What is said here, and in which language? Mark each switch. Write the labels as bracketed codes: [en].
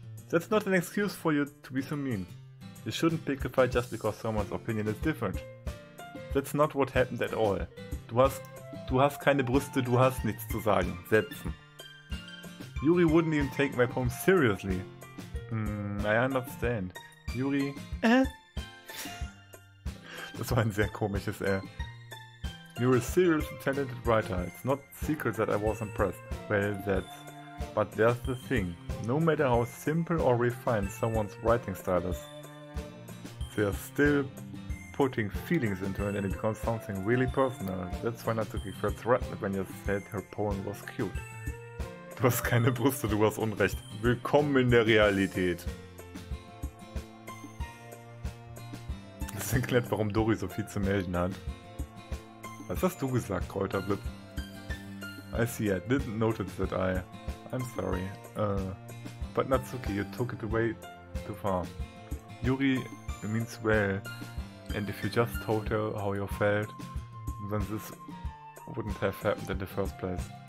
[en] That's not an excuse for you to be so mean. You shouldn't pick a fight just because someone's opinion is different. That's not what happened at all. [de] Du hast keine Brüste, du hast nichts zu sagen. [en] Setzen. Yuri wouldn't even take my poem seriously. I understand. Yuri. [de] Das war ein sehr komisches [en] You're a seriously talented writer. It's not secret that I was impressed. Well, that's... But there's the thing. No matter how simple or refined someone's writing style is, they're still putting feelings into it and it becomes something really personal. That's why Natsuki felt threatened when you said her poem was cute. [de] Du hast keine Brüste, du hast Unrecht. Willkommen in der Realität. Das erklärt, warum Dori so viel zu melden hat. Was hast du gesagt, Kräuterblip? [en] I see, I didn't notice that I'm sorry. But Natsuki, you took it away too far. Yuri means well, and if you just told her how you felt, then this wouldn't have happened in the first place.